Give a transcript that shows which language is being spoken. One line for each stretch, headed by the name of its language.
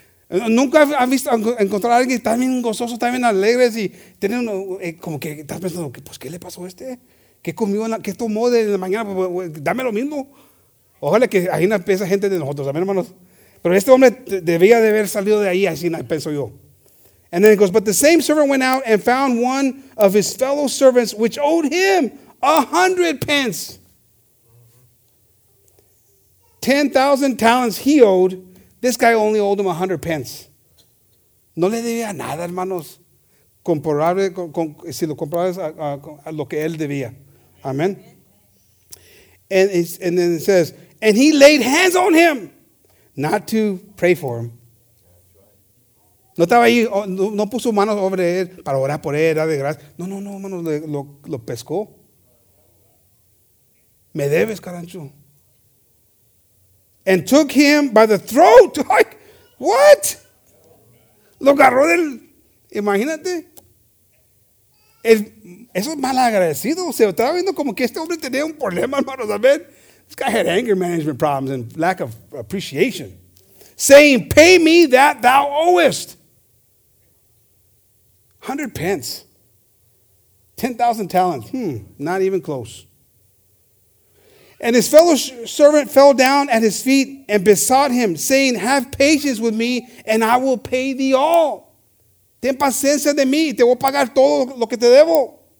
Spanish: Nunca has visto encontrar a alguien tan bien gozoso, tan bien alegre y tiene uno, como que estás pensando, pues, ¿qué le pasó a este? ¿Qué comió? ¿Qué tomó de la mañana? Dame lo mismo. Ojalá que ahí no empiece gente de nosotros, amén, hermanos. Pero este hombre debía de haber salido de ahí, así pienso yo.
English: And then it goes, but the same servant went out and found one of his fellow servants which owed him 100 pence. 10,000 talents he owed. This guy only owed him 100 pence.
Spanish: No le debía nada, hermanos. Comparable, si lo comparas a lo que él debía.
English: Amen. And then it says, and he laid hands on him, not to pray for him.
Spanish: No estaba ahí, no puso manos sobre él para orar por él, dar de gracia. No, hermanos, lo pescó. Me debes, carancho.
English: And took him by the throat. Like, what?
Spanish: Lo agarró del. Imagínate. Eso es mal agradecido. Se estaba viendo como que este hombre tenía un problema, hermanos. Amen.
English: This guy had anger management problems and lack of appreciation. Saying, pay me that thou owest. 100 pence. 10,000 talents. Not even close. And his fellow servant fell down at his feet and besought him, saying, have patience with me, and I will pay thee all.
Spanish: Ten paciencia de mí, te voy a pagar todo lo que te debo.